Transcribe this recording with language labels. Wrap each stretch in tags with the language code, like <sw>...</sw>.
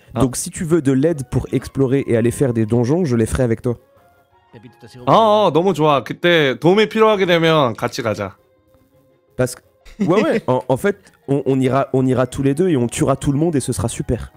<fr>Donc si tu veux de l'aide pour explorer et aller faire des donjons, je les ferai avec toi.</fr> <ko>Ah, 너무 좋아. 그때 도움이 필요하게 되면 같이 가자.</ko> <fr>Parce que ouais. en fait, on ira tous les deux et on tuera tout le monde et ce sera super.</fr>